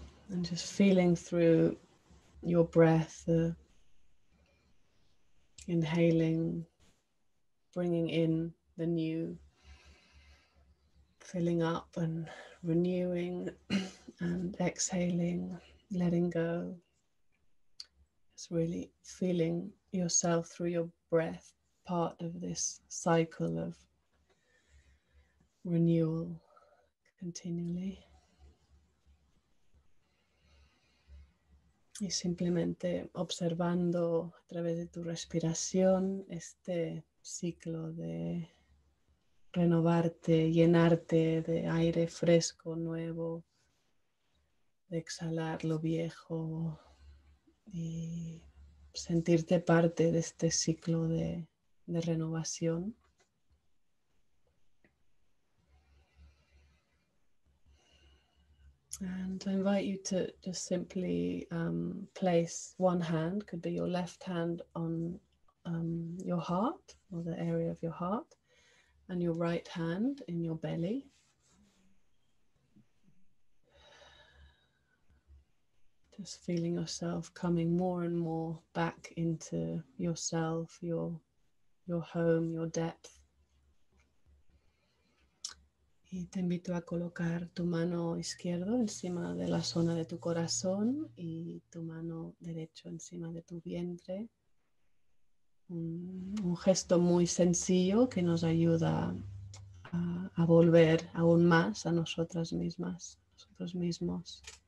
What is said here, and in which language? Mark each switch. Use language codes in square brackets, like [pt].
[en] And just feeling through your breath, inhaling, bringing in the new, filling up and renewing and exhaling. Letting go. It's really feeling yourself through your breath, part of this cycle of renewal continually. [es] Y simplemente observando a través de tu respiración este ciclo de renovarte, llenarte de aire fresco, nuevo. De exhalar lo viejo y sentirte parte de este ciclo de renovación. [en] And I invite you to just simply place one hand, could be your left hand on your heart or the area of your heart, and your right hand in your belly. Just feeling yourself coming more and more back into yourself, your home, your depth. [es] Y te invito a colocar tu mano izquierdo encima de la zona de tu corazón y tu mano derecho encima de tu vientre. Un gesto muy sencillo que nos ayuda a volver aún más a nosotras mismas, nosotros mismos.